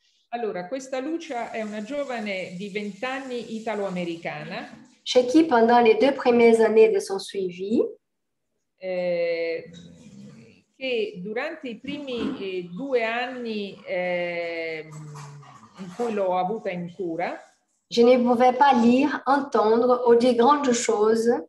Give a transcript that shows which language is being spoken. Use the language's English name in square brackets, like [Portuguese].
[Italian] Allora, questa Lucia è una giovane di 20 anni italo-americana. [French] Chez qui, pendant les deux premières années de son suivi, [Italian] che durante i primi 2 anni in cui l'ho avuta in cura, [French] je ne pouvais pas lire, entendre ou dire grande chose.